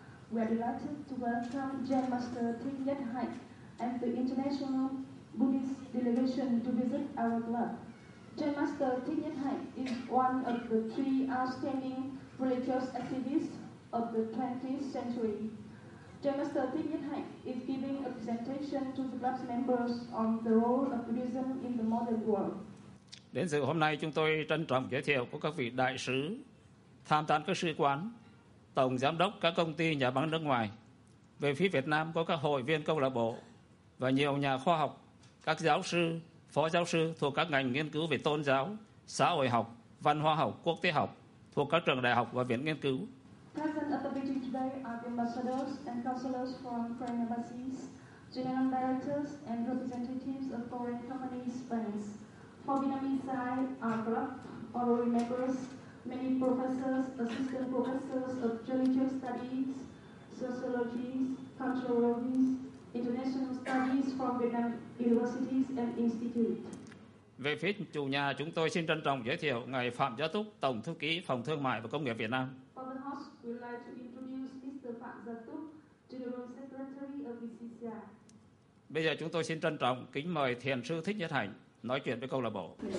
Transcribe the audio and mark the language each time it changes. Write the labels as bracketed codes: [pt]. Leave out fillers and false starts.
[en] We are delighted to welcome Zen Master Thich Nhat Hanh and the International Buddhist Delegation to visit our club. Zen Master Thich Nhat Hanh is one of the three outstanding religious activists of the 20th century. Zen Master Thich Nhat Hanh is giving a presentation to the club's members on the role of Buddhism in the modern world. [vi] Đến dự hôm nay, chúng tôi trân trọng giới thiệu của các vị đại sứ tham tán các sứ quán, tổng giám đốc các công ty nhà băng nước ngoài. Về phía Việt Nam có các hội viên câu lạc bộ và nhiều nhà khoa học, các giáo sư, phó giáo sư thuộc các ngành nghiên cứu về tôn giáo, xã hội học, văn hóa học, quốc tế học thuộc các trường đại học và viện nghiên cứu. [en] Present at the meeting today are the ambassadors and counselors from foreign embassies, general directors and representatives of foreign companies, banks. For Vietnamese side, our club, honorary members, many professors, assistant professors of religious studies, sociology, culturology, international studies from Vietnam universities and institutes. [vi] Về phía chủ nhà, chúng tôi xin trân trọng giới thiệu Ngài Phạm Gia Túc, Tổng Thư ký Phòng Thương mại và Công nghiệp Việt Nam. [en] For the host, we'd like to introduce Mr. Phạm Gia Túc, General Secretary of VCCI. [vi] Bây giờ chúng tôi xin trân trọng kính mời Thiền sư Thích Nhất Hạnh nói chuyện với câu lạc bộ.